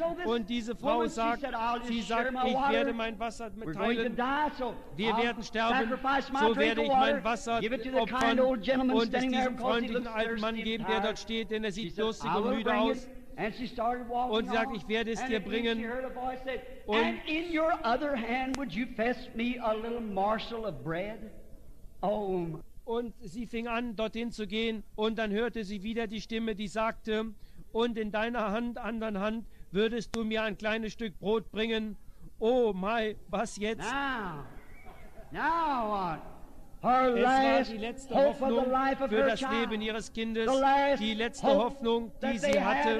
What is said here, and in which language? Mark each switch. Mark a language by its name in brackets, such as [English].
[German] Und diese Frau sagt, sie sagt, ich werde mein Wasser teilen. Wir werden sterben, so werde ich mein Wasser opfern und es diesem freundlichen alten Mann geben, der dort steht, denn er sieht durstig und müde aus. [English] And she started walking [German] und sie sagt, ich werde es dir bringen. [English] And in your other hand would you fetch me a little morsel of bread? Oh. [German] Und sie fing an, dorthin zu gehen. Und dann hörte sie wieder die Stimme, die sagte, und in deiner Hand, anderen Hand, würdest du mir ein kleines Stück Brot bringen? [English] Oh my, [German] was jetzt? [English] Now what? [German] Her es war die letzte Hoffnung für das Leben ihres Kindes, die letzte Hoffnung, die sie hatte.